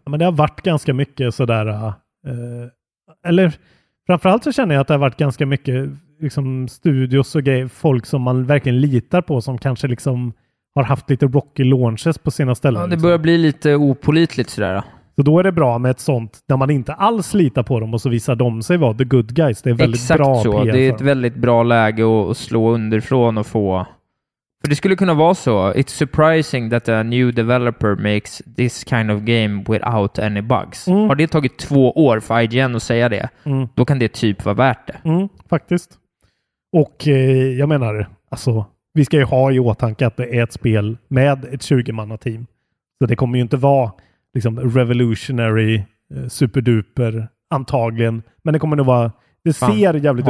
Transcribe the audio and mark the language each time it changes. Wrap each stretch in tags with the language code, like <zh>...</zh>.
<sv>Men det har varit ganska mycket sådär... eller framförallt så känner jag att det har varit ganska mycket liksom, studios och grejer, folk som man verkligen litar på som kanske liksom har haft lite</sv> <en>rocky launches</en> <sv>på sina ställen. Ja, det börjar bli lite opolitligt sådär. Så då är det bra med ett sånt där man inte alls litar på dem och så visar de sig vara</sv> <en>the good guys.</en> <sv>Det är väldigt exakt bra. Exakt så. Det är ett väldigt bra läge att slå underifrån och få... För det skulle kunna vara så.</sv> <en>It's surprising that a new developer makes this kind of game without any bugs.</en> <sv>Mm. Har det tagit 2 år för IGN att säga det, då kan det typ vara värt det. Mm, faktiskt. Och jag menar, alltså, vi ska ju ha i åtanke att det är ett spel med ett 20-manna-team. Så det kommer ju inte vara liksom revolutionary, superduper, antagligen. Men det kommer nog vara... Det ser jävligt roligt ut.</sv>